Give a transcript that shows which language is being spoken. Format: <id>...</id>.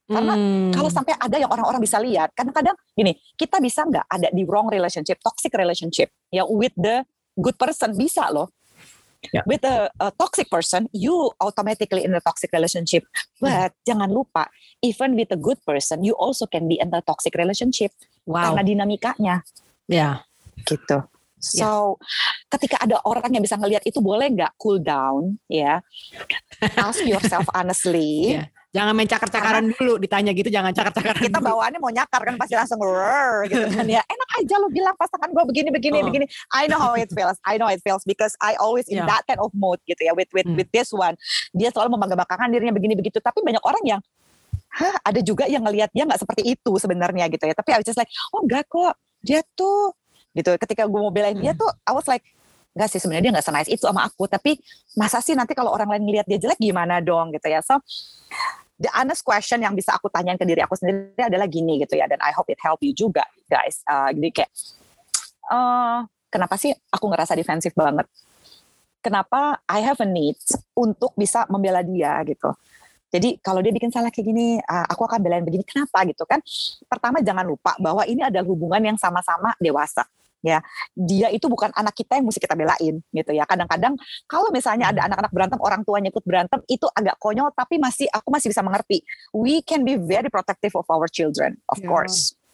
<id>Karena kalau sampai ada yang orang-orang bisa lihat, kadang-kadang gini, kita bisa enggak ada di</id> <en>wrong relationship, toxic relationship, with the good person,</en> <id>bisa loh. Yeah.</id> <en>With a toxic person, you automatically in a toxic relationship. But</en> <id>jangan lupa,</id> <en>even with a good person, you also can be in a toxic relationship. Wow.</en> <id>Karena dinamikanya.</id> <en>Yeah.</en> <id>gitu. So, ketika ada orang yang bisa ngelihat itu, boleh nggak</id> <en>cool down,</en> <id>ya?</id> <en>Yeah. Ask yourself honestly. Yeah.</en> <id>Jangan main cakar-cakaran dulu, ditanya gitu jangan cakar-cakaran. Kita bawaannya mau nyakar kan, pasti langsung rrrr gitu kan ya. Enak aja lu bilang pasangan gue begini, begini, begini.</id> <en>I know how it feels, I know it feels because I always in that kind of mode</en> <id>gitu ya,</id> <en>with this one.</en> <id>Dia selalu membangga-banggakan dirinya begini, begitu. Tapi banyak orang yang, ada juga yang ngelihat dia gak seperti itu sebenarnya gitu ya. Tapi</id> <en>I was just like,</en> <id>oh enggak kok, dia tuh, gitu. Ketika gue mau belain dia tuh,</id> <en>I was like,</en> <id>enggak sih sebenarnya dia enggak senice itu sama aku, tapi masa sih nanti kalau orang lain ngelihat dia jelek gimana dong gitu ya.</id> <en>So the honest question</en> <id>yang bisa aku tanyain ke diri aku sendiri adalah gini gitu ya, dan</id> <en>I hope it help you</en> <id>juga guys. Jadi kayak kenapa sih aku ngerasa defensif banget? Kenapa</id> <en>I have a need</en> <id>untuk bisa membela dia gitu. Jadi kalau dia bikin salah kayak gini, aku akan belain begini, kenapa gitu kan? Pertama jangan lupa bahwa ini adalah hubungan yang sama-sama dewasa. Ya, dia itu bukan anak kita yang mesti kita belain gitu ya. Kadang-kadang kalau misalnya ada anak-anak berantem, orang tuanya ikut berantem, itu agak konyol, tapi masih aku masih bisa mengerti.</id> <en>We can be very protective of our children, of course.</en>